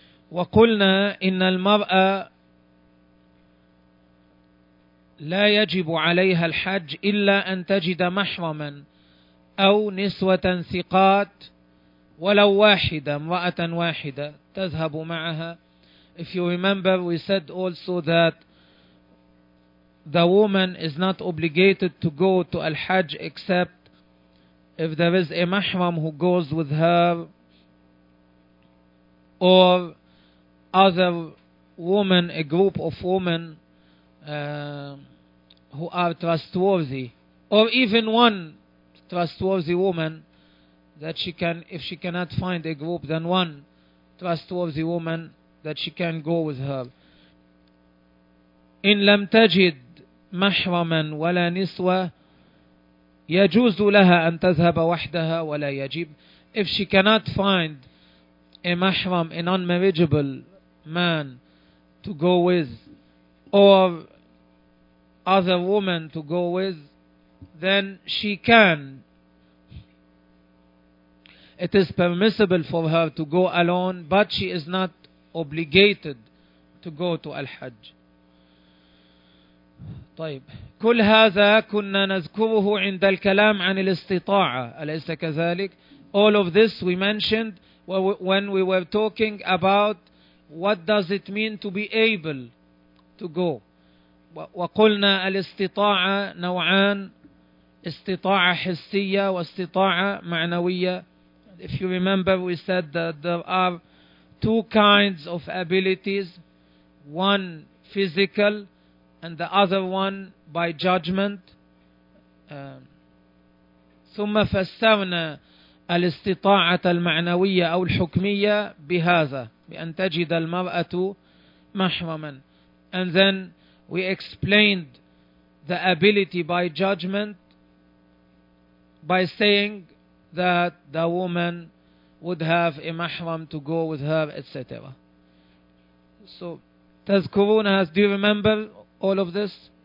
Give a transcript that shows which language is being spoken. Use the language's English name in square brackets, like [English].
[Arabic] وقلنا إن المرأة لا يجب عليها الحج إلا أن تجد محرما أو نسوة ثقات ولو واحدة امرأة واحدة تذهب معها. [English] If you remember, we said also that the woman is not obligated to go to al-Hajj except if there is a mahram who goes with her or other women, a group of women who are trustworthy, or even one trustworthy woman, that she can, if she cannot find a group, then one trustworthy woman that she can go with her. [Arabic] إن لم تجد محرما ولا نسوة يجوز لها أن تذهب وحدها ولا يجب. [English] If she cannot find a محرم, a non-marriageable man to go with, or other woman to go with, then she can. It is permissible for her to go alone, but she is not obligated to go to Al-Hajj. [Arabic] طيب كل هذا كنا نذكره عند الكلام عن الاستطاعة أليس كذلك. [English] All of this we mentioned when we were talking about what does it mean to be able to go. [Arabic] وقلنا الاستطاعة نوعان, استطاعة حسية واستطاعة معنوية. [English] If you remember, we said that there are two kinds of abilities, one physical and the other one by judgment. [Arabic] ثم فسرنا الاستطاعة المعنوية أو الحكمية بهذا, بأن تجد المرأة محرما. [English] And then we explained the ability by judgment by saying that the woman would have a mahram to go with her, etc. So [Arabic] تذكرون, [English] do you remember all of this?